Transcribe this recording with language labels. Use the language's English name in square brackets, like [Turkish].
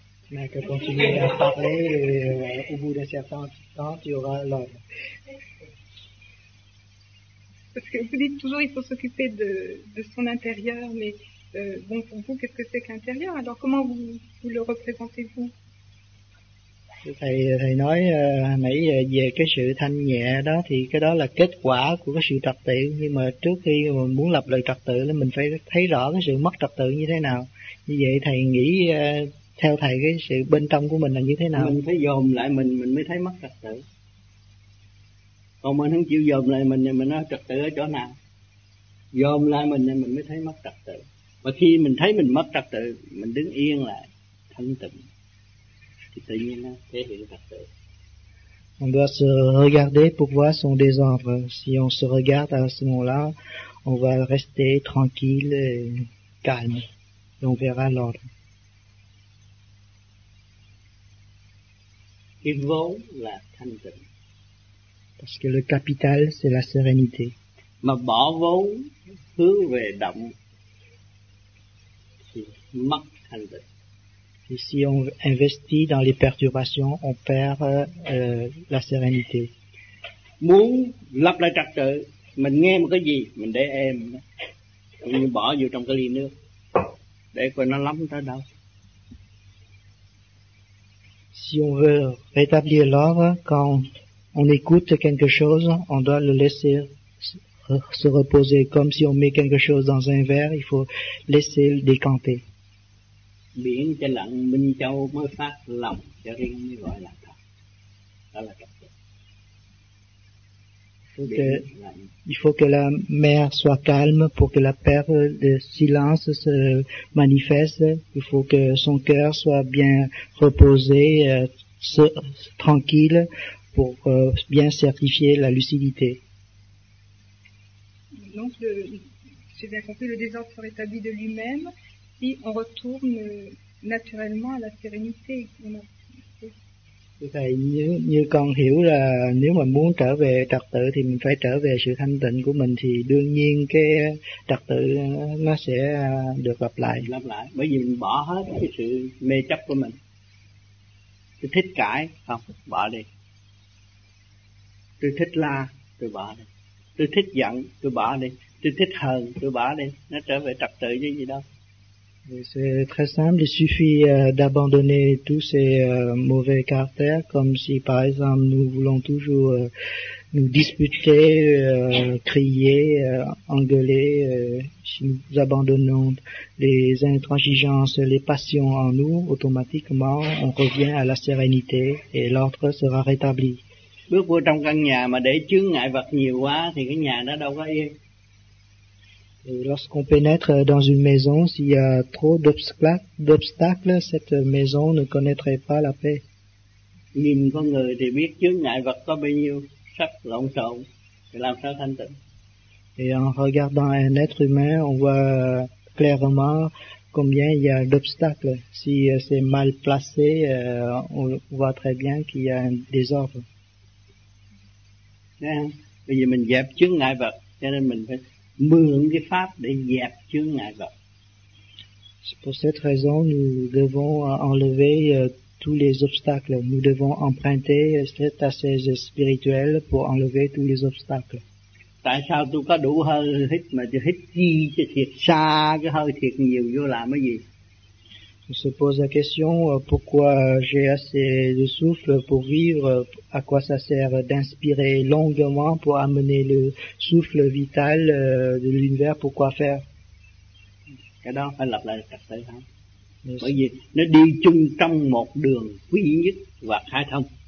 [French] mais que continuer à parler et au bout d'un certain temps, tu auras l'ordre. Parce que vous dites toujours qu'il faut s'occuper de son intérieur, mais bon, pour vous, qu'est-ce que c'est que l'intérieur? Alors comment vous le représentez-vous? [Vietnamese] Thầy nói nãy về cái sự thanh nhẹ đó, thì cái đó là kết quả của cái sự trật tự. Nhưng mà trước khi mà muốn lập lại trật tự, thì mình phải thấy rõ cái sự mất trật tự như thế nào. Như vậy thầy nghĩ theo thầy cái sự bên trong của mình là như thế nào? Mình phải dồn lại mình mới thấy mất trật tự. Còn mình không chịu dồn lại mình thì mình nói trật tự ở chỗ nào? Dồn lại mình thì mình mới thấy mất trật tự. Và khi mình thấy mình mất trật tự, mình đứng yên lại, thanh tịnh, thì tự nhiên nó thể hiện trật tự. [French] On doit se regarder pour voir son désordre. Si on se regarde à ce moment-là, on va rester tranquille et calme. Et on verra l'ordre. Il vaut la tendance. Parce que le capital, c'est la sérénité. [Vietnamese] Mà bỏ vốn hướng về động thì mất thanh tịnh. [French] Et si on investit dans les perturbations, on perd la sérénité. [Vietnamese] Muốn lắp lại trật tự, mình nghe một cái gì, mình để êm, cũng như bỏ vô trong cái ly nước, để coi nó lắm tới đâu. [French] Si on veut rétablir l'ordre, quand on écoute quelque chose, on doit le laisser se reposer. Comme si on met quelque chose dans un verre, il faut laisser le décanter. [Vietnamese] Biển cho lặng, Minh Châu mới phát lòng cho riêng mới gọi là thật. Đó là trật tự. [French] Il faut que la mer soit calme pour que la paix de silence se manifeste. Il faut que son cœur soit bien reposé, tranquille, pour bien certifier la lucidité. Donc, j'ai bien compris, le désordre se rétablit de lui-même, puis on retourne naturellement à la sérénité. [Vietnamese] Vì vậy như con hiểu là nếu mà muốn trở về trật tự thì mình phải trở về sự thanh tịnh của mình, thì đương nhiên cái trật tự nó sẽ được lặp lại bởi vì mình bỏ hết cái sự mê chấp của mình, tôi thích cãi không bỏ đi, tôi thích la tôi bỏ đi, tôi thích giận tôi bỏ đi, tôi thích hờn tôi bỏ đi, nó trở về trật tự chứ gì đâu. [French] C'est très simple, il suffit d'abandonner tous ces mauvais caractères, comme si par exemple nous voulons toujours nous disputer, crier, engueuler, si nous abandonnons les intransigeances, les passions en nous, automatiquement on revient à la sérénité et l'ordre sera rétabli. [Vietnamese] Bước vô trong căn nhà mà để chướng ngại vật nhiều quá thì cái nhà nó đâu có yên. [French] Et lorsqu'on pénètre dans une maison, s'il y a trop d'obstacles, cette maison ne connaîtrait pas la paix. [Vietnamese] Nhìn con người thì biết chướng ngại vật có bao nhiêu, sắc lộn xộn, thì làm sao thanh tịnh. [French] Et en regardant un être humain, on voit clairement combien il y a d'obstacles. Si c'est mal placé, on voit très bien qu'il y a un désordre. [Vietnamese] Bây giờ mình dẹp chướng ngại vật, cho nên mình phải mượn cái pháp để dẹp chướng ngại vật. [French] C'est pour cette raison nous devons enlever tous les obstacles. Nous devons emprunter cette assise spirituelle pour enlever tous les obstacles. [Vietnamese] Tại sao tôi có đủ hơi hít mà tôi hít chi cho thiệt xa cái hơi thiệt nhiều vô làm cái gì? [French] On se pose la question pourquoi j'ai assez de souffle pour vivre, à quoi ça sert d'inspirer longuement pour amener le souffle vital de l'univers, pourquoi faire? [Vietnamese] Cái đó phải lập lại trật tự không? [English] Yes. [Vietnamese] Bởi vì nó đi chung trong một đường quy nhất và khai thông.